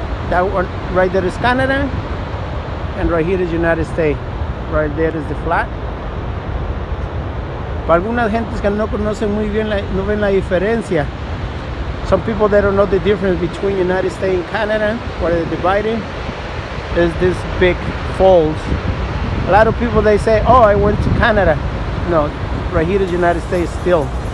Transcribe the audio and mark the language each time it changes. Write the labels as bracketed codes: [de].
[en] That one right there is Canada, and right here is United States. Right there is the flag. [es] Para algunas gentes que no conocen muy bien, no ven la diferencia. [en] Some people that don't know the difference between United States and Canada, where they're divided. is this big falls. A lot of people, they say, oh, I went to Canada. No, right here is the United States still.